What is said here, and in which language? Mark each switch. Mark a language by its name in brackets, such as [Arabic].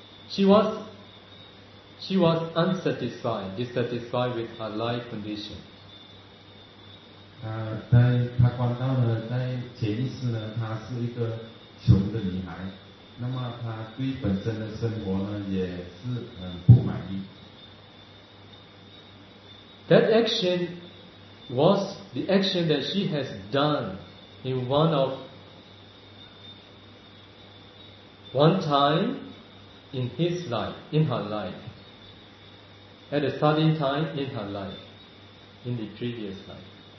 [English] She was unsatisfied, dissatisfied with her life condition. [Chinese] 在他观到呢，在潜意识呢，她是一个穷的女孩，那么她对本身的生活呢，也是很不满意。 [English] That action was the action that she has done in one time in his life, in her life, at a certain time in her life, in the previous life.